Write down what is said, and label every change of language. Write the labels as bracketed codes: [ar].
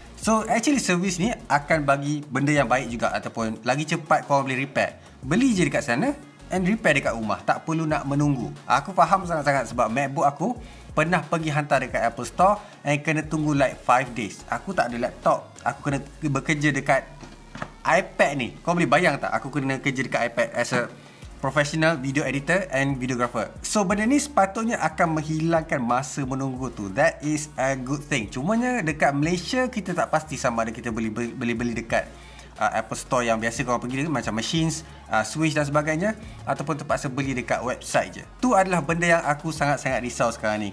[ms] So actually service ni akan bagi benda yang baik juga ataupun lagi cepat korang boleh repair. Beli je dekat sana and repair dekat rumah. Tak perlu nak menunggu. Aku faham sangat-sangat sebab MacBook aku pernah pergi hantar dekat Apple Store and kena tunggu like 5 days. Aku tak ada laptop. Aku kena bekerja dekat iPad ni. Kau boleh bayang tak? Aku kena kerja dekat iPad [en] as a professional video editor and videographer. [ms] So benda ni sepatutnya akan menghilangkan masa menunggu tu. [en] That is a good thing. [ms] Cumanya dekat Malaysia kita tak pasti sama ada kita beli dekat Apple Store yang biasa korang pergi dekat macam machines, switch dan sebagainya ataupun terpaksa beli dekat website je. Tu adalah benda yang aku sangat-sangat risau sekarang ni.